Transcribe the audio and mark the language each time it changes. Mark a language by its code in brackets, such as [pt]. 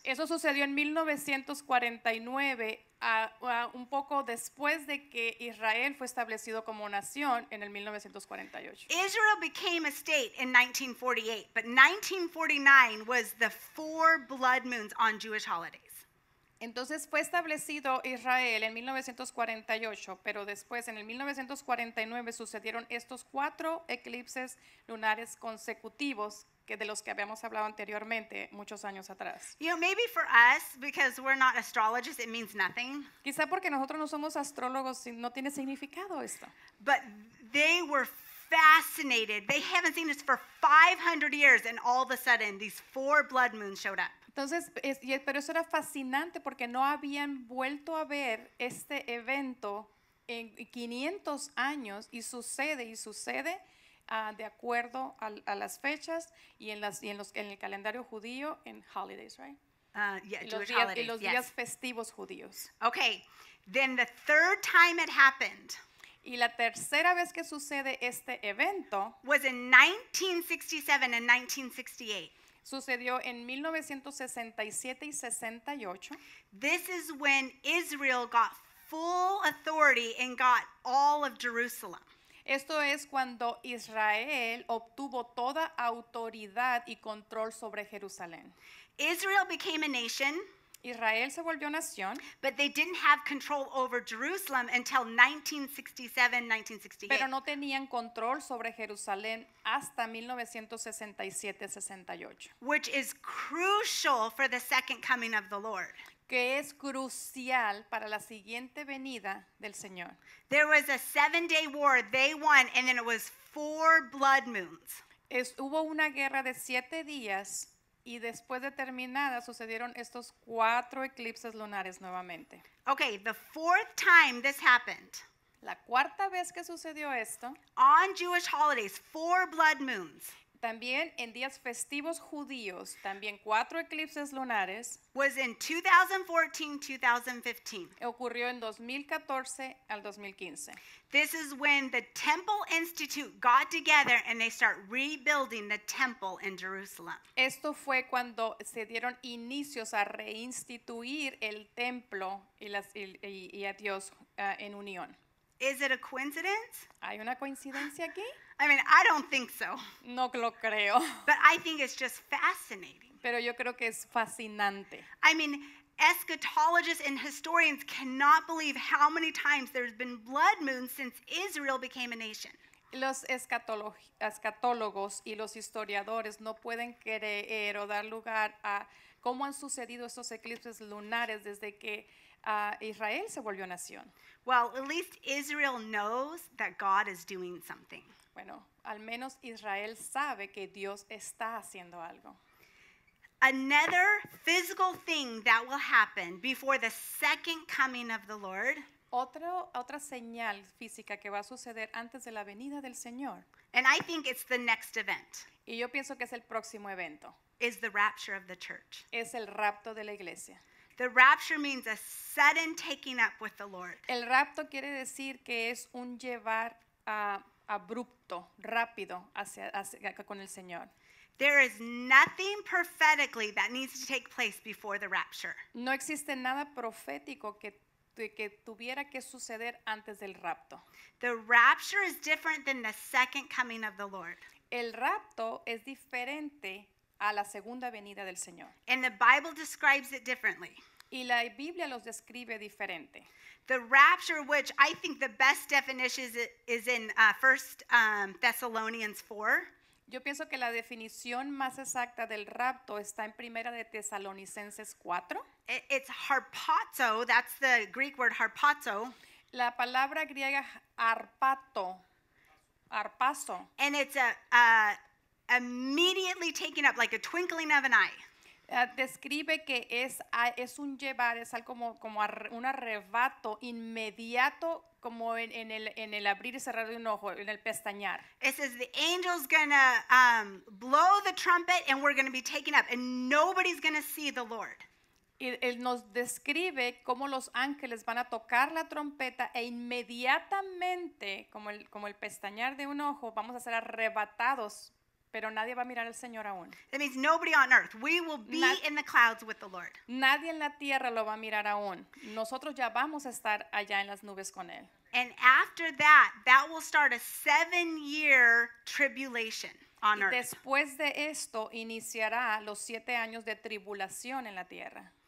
[es] Eso sucedió en 1949, un poco después de que Israel fue establecido como nación en el 1948. [en] Israel became a state in 1948, but 1949 was the four blood moons on Jewish holidays. [es] Entonces fue establecido Israel en 1948, pero después en el 1949 sucedieron estos cuatro eclipses lunares consecutivos que de los que habíamos hablado anteriormente muchos años atrás. [en] You know, maybe for us, because we're not astrologists, it means nothing. [es] Quizá porque nosotros no somos astrólogos, no tiene significado esto. [en] But they were fascinated. They haven't seen this for 500 years, and all of a sudden, these four blood moons showed up. [es] Entonces, pero eso era fascinante porque no habían vuelto a ver este evento en 500 años y sucede de acuerdo a las fechas y en el calendario judío en [en] holidays, right? Jewish holidays, [es] y los días festivos judíos. [en] Okay, then the third time it happened. [es] Y la tercera vez que sucede este evento [en] was in 1967 and 1968. [es] Sucedió en 1967 y 68. [en] This is when Israel got full authority and got all of Jerusalem. [es] Esto es cuando Israel obtuvo toda autoridad y control sobre Jerusalén. [en] Israel became a nation. [es] Israel se volvió nación. [en] But they didn't have control over Jerusalem until 1967, 1968. [es] Pero no tenían control sobre Jerusalén hasta 1967-68. [en] Which is crucial for the second coming of the Lord. [es] Que es crucial para la siguiente venida del Señor. [en] There was a 7-day war they won, and then it was four blood moons. [es] Hubo una guerra de 7 días. Y después de terminada sucedieron estos cuatro eclipses lunares nuevamente. [en] Okay, the fourth time this happened. [es] La cuarta vez que sucedió esto. [en] On Jewish holidays, four blood moons. [es] También en días festivos judíos, también cuatro eclipses lunares. [en] Was in 2014-2015. [es] Ocurrió en 2014 al 2015. [en] This is when the Temple Institute got together and they start rebuilding the temple in Jerusalem. [es] Esto fue cuando se dieron inicios a reinstituir el templo y a Dios en unión. [en] Is it a coincidence? [es] ¿Hay una coincidencia aquí? [en] I mean, I don't think so. [es] No lo creo. [en] But I think it's just fascinating. [es] Pero yo creo que es fascinante. [en] I mean, eschatologists and historians cannot believe how many times there's been blood moons since Israel became a nation. [es] Los escatólogos y los historiadores no pueden creer o dar lugar a cómo han sucedido estos eclipses lunares desde que Israel se volvió nación. [en] Well, at least Israel knows that God is doing something. [es] Bueno, al menos Israel sabe que Dios está haciendo algo. [en] Another physical thing that will happen before the second coming of the Lord. [es] Otra señal física que va a suceder antes de la venida del Señor. [en] And I think it's the next event. [es] Y yo pienso que es el próximo evento. [en] Is the rapture of the church. [es] Es el rapto de la iglesia. [en] The rapture means a sudden taking up with the Lord. [es] El rapto quiere decir que es un llevar abrupto, rápido hacia con el Señor. [en] There is nothing prophetically that needs to take place before the rapture. [es] No existe nada profético que tuviera que suceder antes del rapto. [en] The rapture is different than the second coming of the Lord. [es] El rapto es diferente a la segunda venida del Señor. [en] And the Bible describes it differently. [es] Y la Biblia los describe diferente. [en] The rapture, which I think the best definition is in 1 Thessalonians 4. [es] Yo pienso que la definición más exacta del rapto está en Primera de Tesalonicenses 4. [en] It's harpazo, that's the Greek word harpazo. [es] La palabra griega harpato, harpazo. [en] And it's immediately taking up, like a twinkling of an eye. [es] Describe que es un llevar, es algo como un arrebato inmediato, como en el abrir y cerrar de un ojo, en el pestañear. [en] It says the angel's gonna blow the trumpet and we're gonna be taken up and nobody's gonna see the Lord. [es] Él nos describe cómo los ángeles van a tocar la trompeta e inmediatamente, como el pestañear de un ojo, vamos a ser arrebatados Pero nadie va a mirar al Señor aún. [en] That means nobody on earth. We will be in the clouds with the Lord. [es] Nadie en la tierra lo va a mirar aún. Nosotros ya vamos a estar allá en las nubes con él. [en] And after that, that will start a 7-year tribulation on earth. [es] Y después de esto, iniciará los 7 años de tribulación en la tierra.